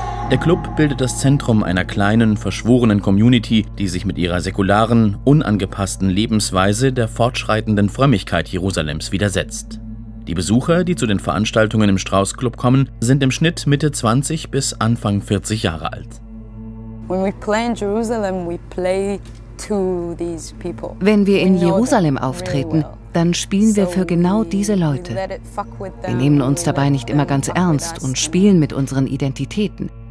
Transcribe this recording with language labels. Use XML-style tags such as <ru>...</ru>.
<de>Der Club bildet das Zentrum einer kleinen, verschworenen Community, die sich mit ihrer säkularen, unangepassten Lebensweise der fortschreitenden Frömmigkeit Jerusalems widersetzt. Die Besucher, die zu den Veranstaltungen im Strauss Club kommen, sind im Schnitt Mitte 20 bis Anfang 40 Jahre alt.</de> <en>When we play in Jerusalem, we play to these people.</en> <de>Wenn wir in Jerusalem auftreten, dann spielen wir für genau diese Leute. Wir nehmen uns dabei nicht immer ganz ernst und spielen mit unseren Identitäten.</de>